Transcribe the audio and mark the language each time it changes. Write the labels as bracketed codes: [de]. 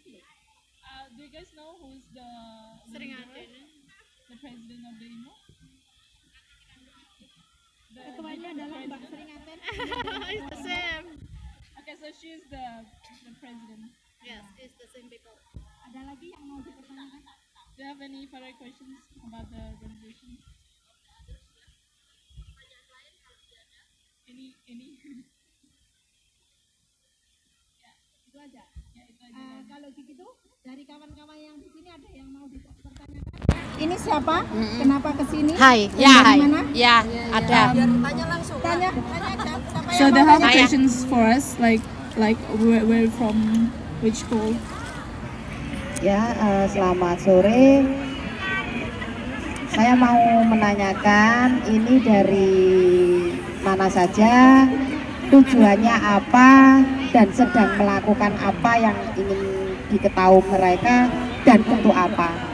[id] belum? [en] Do you guys know who's the leader, president of the IMU? [id] Ketuanya adalah Mbak [en] Seringaten. It's the same. Okay, so she's the president. Yes, it's the same people. [id] Ada lagi yang mau dipertanyakan? [en] Do you have any further questions about the organization? Any? [id] Itu aja. Kalau begitu, dari kawan-kawan yang di sini ada yang mau dipertanyakan? Ini siapa? Kenapa kesini? Hai. Ya. Ya. Ada. Tanya langsung. Tanya. [en] So they have questions for us, like where from, which school? [id] Selamat sore. Saya mau menanyakan, ini dari mana saja, tujuannya apa, dan sedang melakukan apa yang ingin diketahui mereka, dan untuk apa?